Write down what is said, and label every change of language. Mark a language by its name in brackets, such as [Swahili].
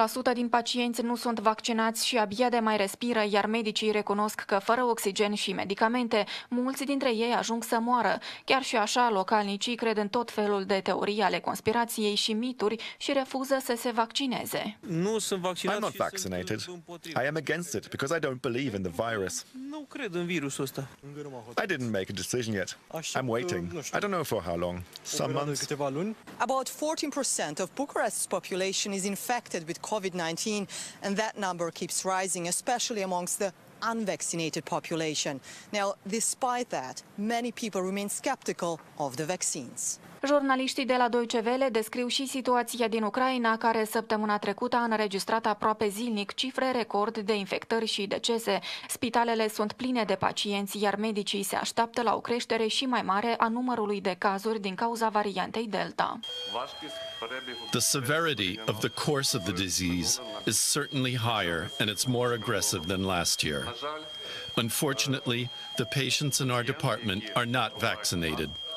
[Romanian] 95% din pacienți nu sunt vaccinați și abia de mai respiră, iar medicii recunosc că fără oxigen și medicamente, mulți dintre ei ajung să moară. Chiar și așa, localnicii cred în tot felul de teorii ale conspirației și mituri și refuză să se vaccineze. Nu sunt vaccinat. [English] I'm not vaccinated. I am against it because I don't believe in the virus. [Romanian] Nu cred în virusul ăsta. [English] I didn't make a decision yet. I'm waiting. I don't know for how long. Some months. About 14% of Bucharest's population is in infected with COVID-19, and that number keeps rising, especially amongst the unvaccinated population. Now, despite that, many people remain skeptical of the vaccines. [Romanian] Jurnaliștii de la Deutsche Welle descriu și situația din Ucraina, care săptămâna trecută a înregistrat aproape zilnic cifre record de infectări și decese. Spitalele sunt pline de pacienți, iar medicii se așteaptă la o creștere și mai mare a numărului de cazuri din cauza variantei Delta. [English] The severity of the course of the disease is certainly higher and it's more aggressive than last year. Unfortunately, the patients in our department are not vaccinated.